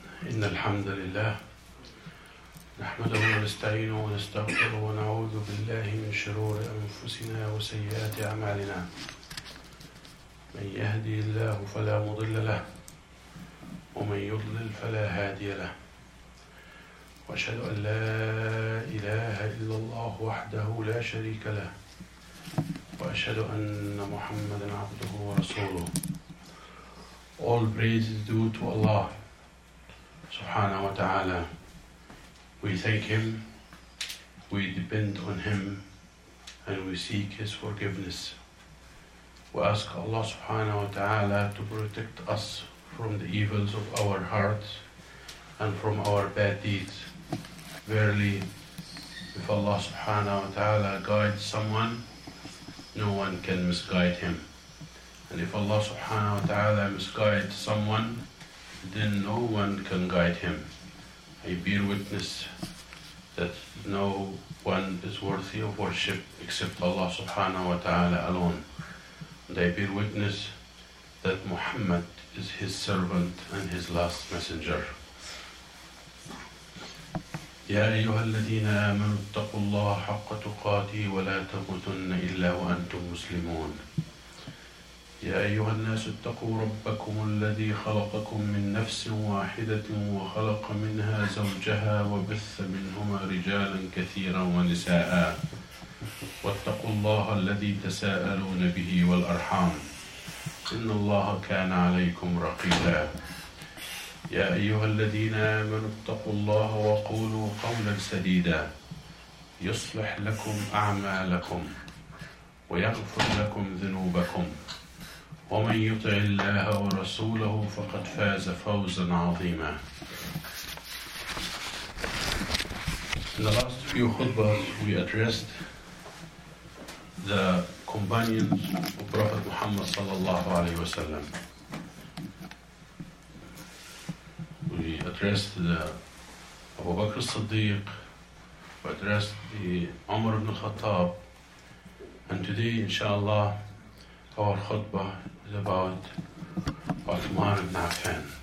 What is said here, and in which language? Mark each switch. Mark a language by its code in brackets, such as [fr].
[ar] إن الحمد لله نحمده ونستعينه ونستغفره ونعوذ بالله من شرور أنفسنا وسيئات أعمالنا، من يهدي الله فلا مضل له ومن يضلل فلا هادي له، وأشهد أن لا إله إلا الله وحده لا شريك له، وأشهد أن محمدا عبده ورسوله. [en] All praise is due to Allah Subhanahu wa ta'ala. We thank him, we depend on him, and we seek his forgiveness. We ask Allah subhanahu wa ta'ala to protect us from the evils of our hearts and from our bad deeds. Verily, if Allah subhanahu wa ta'ala guides someone, no one can misguide him. And if Allah subhanahu wa ta'ala misguides someone, then no one can guide him. I bear witness that no one is worthy of worship except Allah subhanahu wa ta'ala alone. And I bear witness that Muhammad is his servant and his last messenger. [ar] يا أيها الذين آمنوا اتقوا الله حق تقاته ولا تموتن إلا وأنتم مسلمون. يا أيها الناس اتقوا ربكم الذي خلقكم من نفس واحدة وخلق منها زوجها وبث منهما رجالا كثيرا ونساء، واتقوا الله الذي تساءلون به والأرحام، إن الله كان عليكم رقيبا. يا أيها الذين آمنوا اتقوا الله وقولوا قولا سديدا، يصلح لكم أعمالكم ويغفر لكم ذنوبكم، ومن يطع الله ورسوله فقد فاز فوزا عظيما. [en] In the last few khutbas, we addressed the companions of Prophet Muhammad sallallahu alaihi wasallam. We addressed the Abu Bakr al-Siddiq, we addressed the Umar ibn al-Khattab, and today, inshallah, our khutbah about Uthman ibn Affan.